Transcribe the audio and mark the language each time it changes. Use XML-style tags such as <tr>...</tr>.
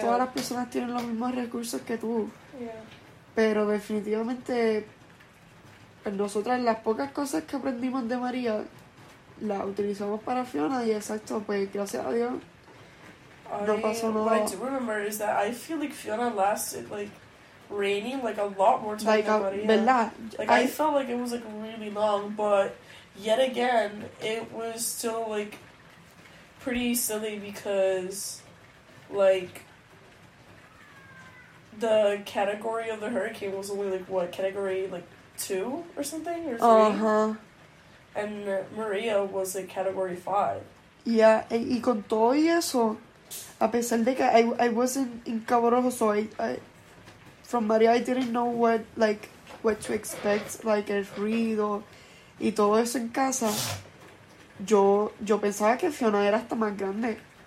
<es>todas las personas tienen los mismos recursos que tú.</es> <en>Yeah.</en> <es>Pero definitivamente, nosotras las pocas cosas que aprendimos de María, las utilizamos para Fiona, y exacto, pues, gracias a Dios, no pasó nada.</es> <en>What I do remember is that I feel like Fiona lasted, like, raining, like, a lot more time like, than María.</en> <es>¿Verdad?</es> <en>Like, I felt like it was, like, really long, but yet again, it was still, like, pretty silly because, like, the category of the hurricane was only, like, what, category, like, 2 or something? Or 3? Uh-huh. And Maria was, like, category 5. Yeah,</en> <es>y con todo y eso, a pesar de que</es> <en>I wasn't in Cabo Rojo, so I, from Maria, I didn't know what, like, what to expect, like,</en> <es>el ruido. Y todo eso en casa, yo pensaba que Fiona era hasta más grande.</es>